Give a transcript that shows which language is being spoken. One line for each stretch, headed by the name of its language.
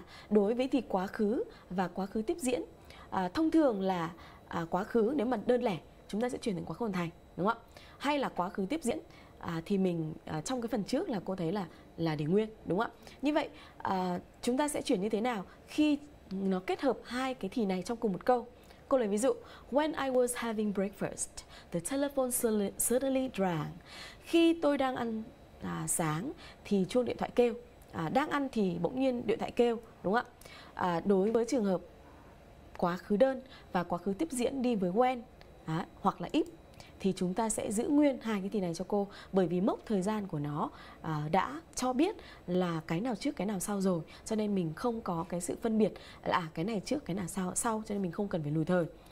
Vietnamese: Đối với thì quá khứ và quá khứ tiếp diễn, thông thường là quá khứ nếu mà đơn lẻ chúng ta sẽ chuyển thành quá khứ hoàn thành, đúng không ạ? Hay là quá khứ tiếp diễn thì mình trong cái phần trước là cô thấy là để nguyên, đúng không ạ? Như vậy chúng ta sẽ chuyển như thế nào khi nó kết hợp hai cái thì này trong cùng một câu? Cô lấy ví dụ,
English: when I was having breakfast, the telephone suddenly rang.
Vietnamese: Khi tôi đang ăn sáng thì chuông điện thoại kêu. Đang ăn thì bỗng nhiên điện thoại kêu, đúng không ạ? Đối với trường hợp quá khứ đơn và quá khứ tiếp diễn đi với when hoặc là if thì chúng ta sẽ giữ nguyên hai cái thì này cho cô, bởi vì mốc thời gian của nó đã cho biết là cái nào trước cái nào sau rồi, cho nên mình không có cái sự phân biệt là cái này trước cái nào sau, cho nên mình không cần phải lùi thời.